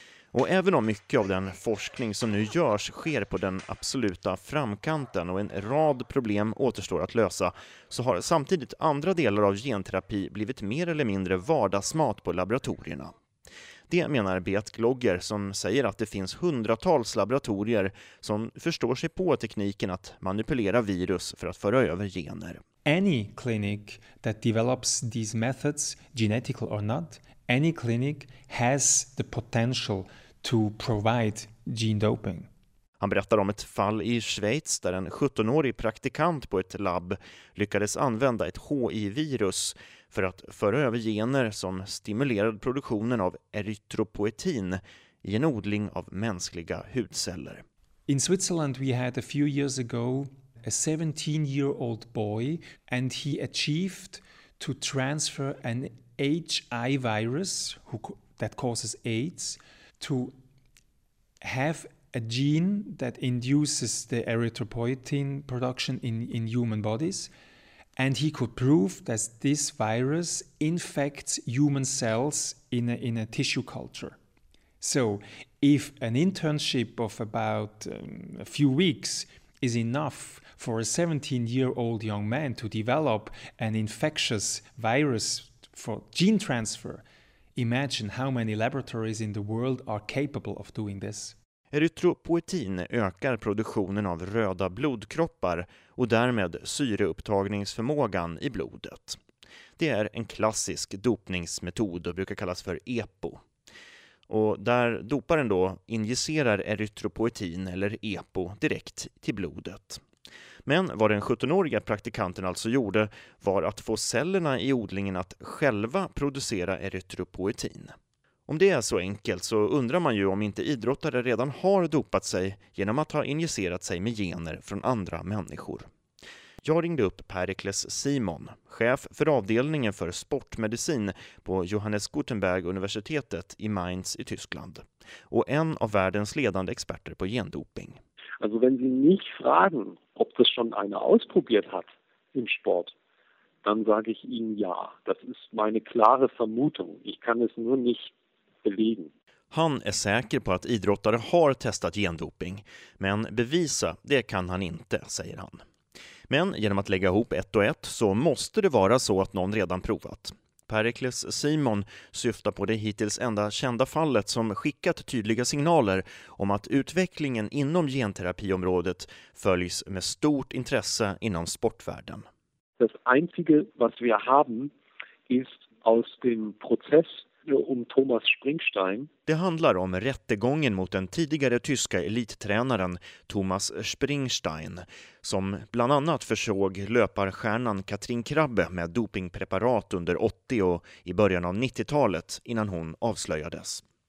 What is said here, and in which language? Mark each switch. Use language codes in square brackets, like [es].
[sv] Och även om mycket av den forskning som nu görs sker på den absoluta framkanten och en rad problem återstår att lösa, så har samtidigt andra delar av genterapi blivit mer eller mindre vardagsmat på laboratorierna. Det menar Beat Glogger som säger att det finns hundratals laboratorier som förstår sig på tekniken att manipulera virus för att föra över gener. [en] Any clinic that develops these methods, genetic or not, any clinic has the potential to provide gene doping. [sv] Han berättar om ett fall i Schweiz där en 17-årig praktikant på ett labb lyckades använda ett HIV-virus för att föra över gener som stimulerade produktionen av erytropoetin i en odling av mänskliga hudceller. [en] In Switzerland we had a few years ago a 17-year-old boy and he achieved to transfer an HIV virus that causes AIDS to have a gene that induces the erythropoietin production in human bodies. And he could prove that this virus infects human cells in a tissue culture. So if an internship of about a few weeks is enough for a 17-year-old young man to develop an infectious virus for gene transfer, imagine how many laboratories in the world are capable of doing this. [sv] Erytropoetin ökar produktionen av röda blodkroppar och därmed syreupptagningsförmågan i blodet. Det är en klassisk dopningsmetod och brukar kallas för EPO. Och där doparen då injicerar erytropoetin eller EPO direkt till blodet. Men vad den 17-åriga praktikanten alltså gjorde var att få cellerna i odlingen att själva producera erytropoetin. Om det är så enkelt så undrar man ju om inte idrottare redan har dopat sig genom att ha injicerat sig med gener från andra människor. Jag ringde upp Pericles Simon, chef för avdelningen för sportmedicin på Johannes Gutenberg-universitetet i Mainz i Tyskland och en av världens ledande experter på gendoping. [de] Also wenn Sie mich fragen, ob das schon einer ausprobiert hat im Sport, dann sage ich Ihnen ja. Das ist meine klare Vermutung. Ich kann es nur nicht belegen. [sv] Han är säker på att idrottare har testat gendoping, men bevisa det kan han inte, säger han. Men genom att lägga ihop ett och ett så måste det vara så att någon redan provat. Pericles Simon syftar på det hittills enda kända fallet som skickat tydliga signaler om att utvecklingen inom genterapiområdet följs med stort intresse inom sportvärlden. [de] Das einzige was wir haben ist aus dem Prozess um Thomas Springsteen. [sv] Det handlar om rättegången mot den tidigare tyska elittränaren Thomas Springsteen som bland annat försåg löparstjärnan Katrin Krabbe med dopingpreparat under 80 och i början av 90-talet innan hon avslöjades.